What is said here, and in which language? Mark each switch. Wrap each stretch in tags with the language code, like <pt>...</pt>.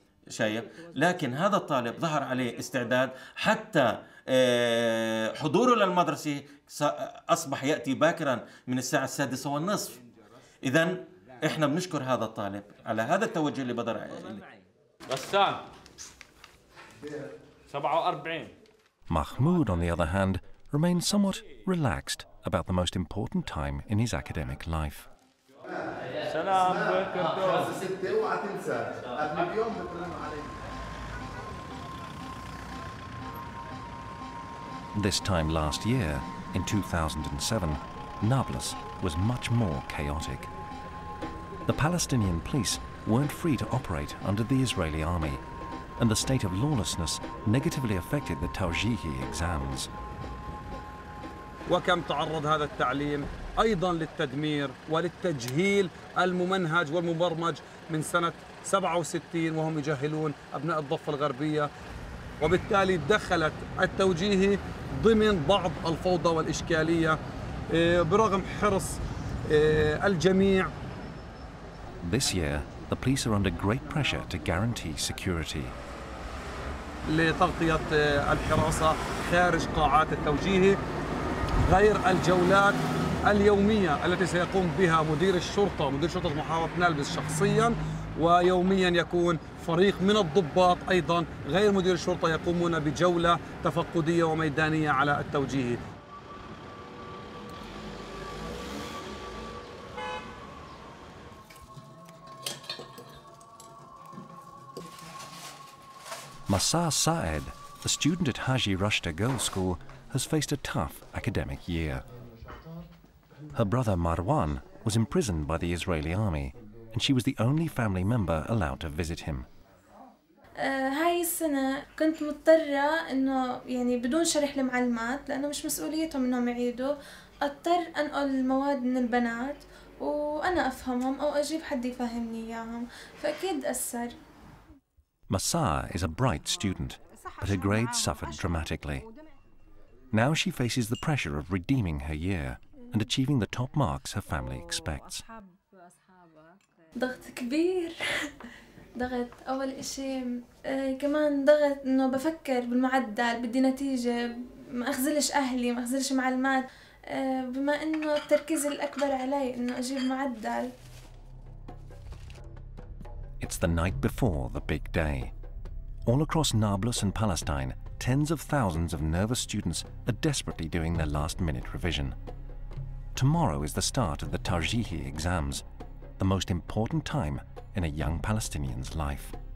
<ar>شايف لكن هذا الطالب ظهر عليه استعداد حتى حضوره للمدرسة أصبح يأتي باكرا من الساعة 6:30 إذن إحنا بنشكر هذا الطالب على هذا التوجه اللي بدر عليه غسان 47</ar> <en>Mahmoud on the other hand remains somewhat relaxed about the most important time in his academic life. This time last year, in 2007, Nablus was much more chaotic. The Palestinian police weren't free to operate under the Israeli army, and the state of lawlessness negatively affected the Tawjihi exams.</en> <ar>وكم تعرض هذا التعليم ايضا للتدمير وللتجهيل الممنهج والمبرمج من سنه 67 وهم يجهلون ابناء الضفه الغربيه وبالتالي دخلت التوجيه ضمن بعض الفوضى والاشكاليه برغم حرص الجميع.</ar> <en>This year the police are under great pressure to guarantee security.</en> <ar>لتغطيه الحراسه خارج قاعات التوجيه غير الجولات اليومية التي سيقوم بها مدير شرطة محافظة نابلس شخصيا ويوميا يكون فريق من الضباط أيضا غير مدير الشرطة يقومون بجولة تفقدية وميدانية على التوجيه.</ar> <en>Masar Saed, a student at Haji Rushta Girls' School, has faced a tough academic year. Her brother Marwan was imprisoned by the Israeli army, and she was the only family member allowed to visit him.</en> <ar>هاي السنة كنت مضطرة إنه يعني بدون شرح لمعلمات لأنه مش مسؤوليتهم إنهم يعيدوا أضطر أنقل المواد من البنات وأنا أفهمهم أو أجيب حد يفهمني إياهم فأكيد أثر.</ar> <en>Masar is a bright student, but her grades suffered dramatically. Now she faces the pressure of redeeming her year and achieving the top marks her family expects.</en> <ar>ضغط كبير. ضغط أول إشي كمان ضغط إنه بفكر بالمعدل بدي نتيجة ما أخذلش أهلي ما أخذلش معلمات بما إنه التركيز الأكبر علي إنه أجيب معدل.</ar> <en>It's the night before the big day. All across Nablus and Palestine, tens of thousands of nervous students are desperately doing their last-minute revision. Tomorrow is the start of the Tarjihi exams, the most important time in a young Palestinian's life.</en>